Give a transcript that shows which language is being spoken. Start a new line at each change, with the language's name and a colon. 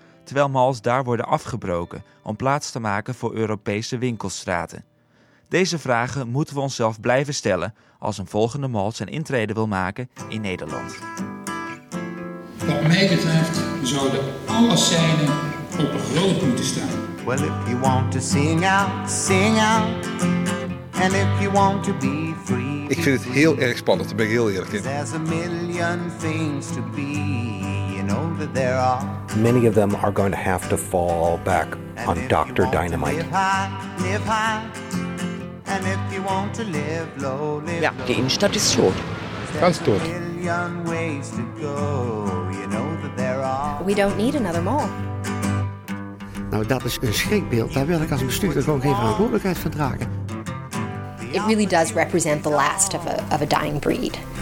Dutch: Terwijl malls daar worden afgebroken om plaats te maken voor Europese winkelstraten. Deze vragen moeten we onszelf blijven stellen als een volgende mall zijn intrede wil maken in Nederland. Wat mij betreft zouden alle seinen op rood moeten staan.
English: Well, if you want to sing out, sing out. And if you want to be free, be free.
Dutch: Ik vind het heel erg spannend, daar ben ik heel eerlijk in.
English: There's a million things to be, you know that there are. Many of them are going to have to fall back on Dr. Dynamite. Live high, live high. And if you want to live low, live low.
German: Ja, die Innenstadt ist tot. Ganz tot.
English: A million ways to go, you know that there are. We don't need another mall.
Dutch: Nou, dat is een schrikbeeld. Daar wil ik als bestuurder gewoon geen verantwoordelijkheid van dragen.
English: It really does represent the last of a dying breed.